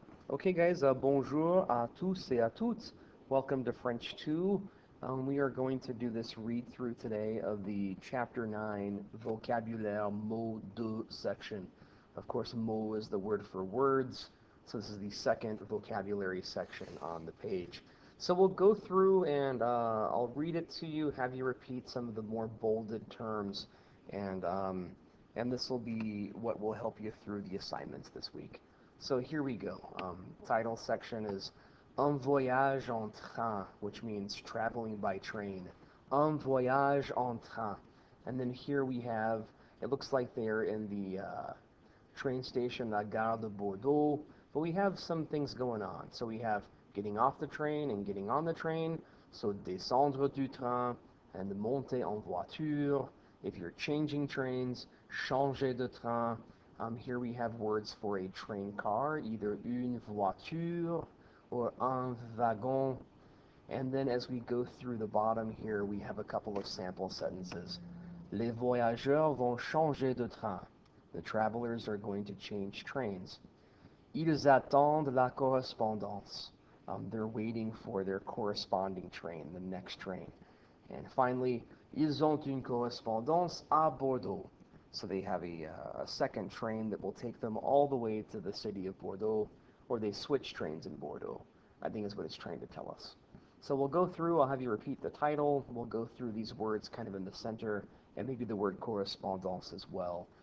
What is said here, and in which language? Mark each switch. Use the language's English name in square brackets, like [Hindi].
[English] Okay, guys, [French] bonjour à tous et à toutes. [English] Welcome to French 2. We are going to do this read through today of the Chapter 9 Vocabulaire Mots 2 section. Of course, mot is the word for words, so this is the second vocabulary section on the page. So we'll go through and I'll read it to you, have you repeat some of the more bolded terms, and this will be what will help you through the assignments this week. So here we go. Title section is [French] Un voyage en train, [English] which means traveling by train. [French] Un voyage en train. [English] And then here we have, it looks like they're in the train station, La Gare de Bordeaux, but we have some things going on. So we have getting off the train and getting on the train. [French] So descendre du train and monter en voiture. [English] If you're changing trains, [French] changer de train. [English] Here we have words for a train car, either [French] une voiture [English] or [French] un wagon. [English] And then as we go through the bottom here, we have a couple of sample sentences. [French] Les voyageurs vont changer de train. [English] The travelers are going to change trains. [French] Ils attendent la correspondance. [English] They're waiting for their corresponding train, the next train. And finally, [French] ils ont une correspondance à Bordeaux. [English] So they have a second train that will take them all the way to the city of Bordeaux, or they switch trains in Bordeaux, I think is what it's trying to tell us. So we'll go through, I'll have you repeat the title, we'll go through these words kind of in the center, and maybe the word correspondance as well.